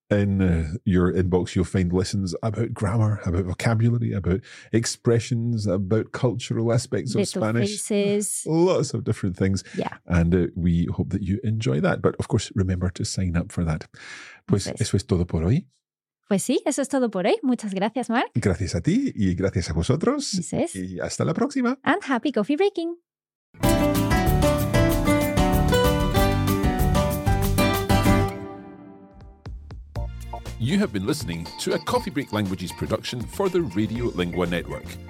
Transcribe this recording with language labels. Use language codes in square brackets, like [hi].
[en] In your inbox, you'll find lessons about grammar, about vocabulary, about expressions, about cultural aspects little of Spanish. Faces. Lots of different things. Yeah. And we hope that you enjoy that. But of course, remember to sign up for that. [es] Pues eso es todo por hoy. Pues sí, eso es todo por hoy. Muchas gracias, Mark. Gracias a ti y gracias a vosotros. Dices. Y hasta la próxima. [en] And happy coffee breaking. You have been listening to a Coffee Break Languages production for the Radiolingua Network.